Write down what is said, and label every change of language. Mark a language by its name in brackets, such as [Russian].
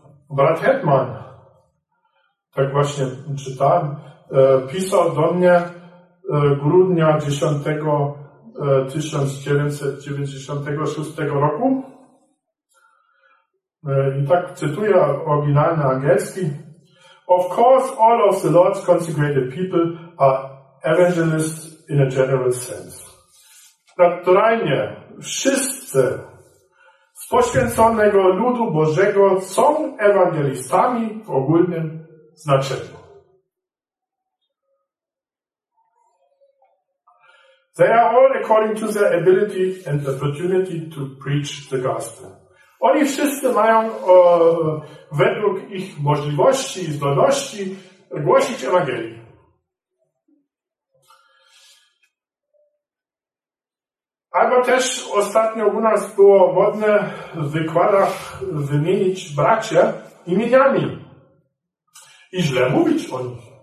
[Polish] Brat Hetman, tak właśnie czytałem, pisał do mnie grudnia 10 1996 roku. I tak cytuję oryginalny angielski. [English] Of course, all of the Lord's consecrated people are evangelists in a general sense. [Polish] Naturalnie, wszyscy z poświęconego ludu Bożego są ewangelistami w ogólnym znaczeniu. [English] They are all according to their ability and opportunity to preach the gospel. [Polish] Oni wszyscy mają według ich możliwości i zdolności głosić Ewangelię. Albo też ostatnio u nas było modne w wykładach wymienić bracie imieniami i źle mówić o nich.